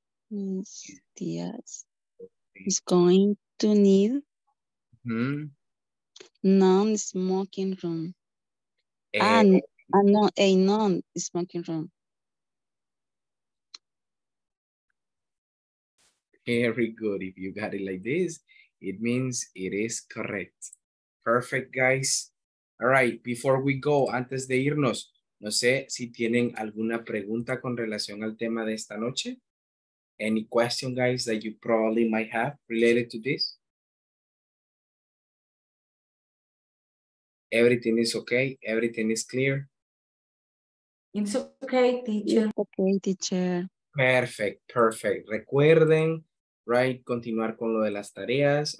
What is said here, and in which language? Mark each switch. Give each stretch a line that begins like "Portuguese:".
English: Miss Diaz is going to need non-smoking room. A non-smoking room. Very good. If you got it like this, it means it is correct. Perfect, guys. All right, before we go,
Spanish: antes de irnos, no sé si tienen alguna pregunta con relación al tema de esta noche.
English: Any question, guys, that you probably might have related to this? Everything is okay? Everything is clear? It's okay, teacher. It's okay, teacher. Perfect, perfect.
Spanish: Recuerden,
English: right,
Spanish: continuar con lo de las tareas.